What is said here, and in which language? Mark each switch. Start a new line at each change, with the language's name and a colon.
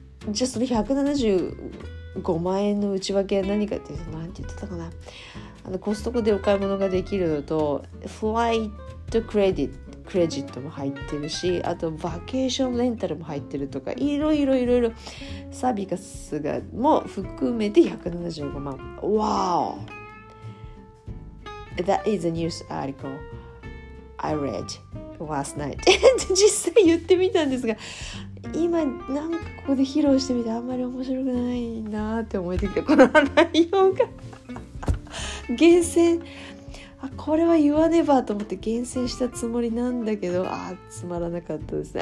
Japanese: じゃあその175万円の内訳は何かっていうと、何て言ってたかな、あのコストコでお買い物ができるのと、フライトクレジットも入ってるし、あとバケーションレンタルも入ってるとか、いろいろサービスがも含めて175万。わお。
English: That is a news article I read last night.
Japanese: 実際言ってみたんですが、今なんかここで披露してみて、あんまり面白くないなって思えてきて、この内容が厳選、あ、これは言わねばと思って厳選したつもりなんだけど、あ、つまらなかったですね。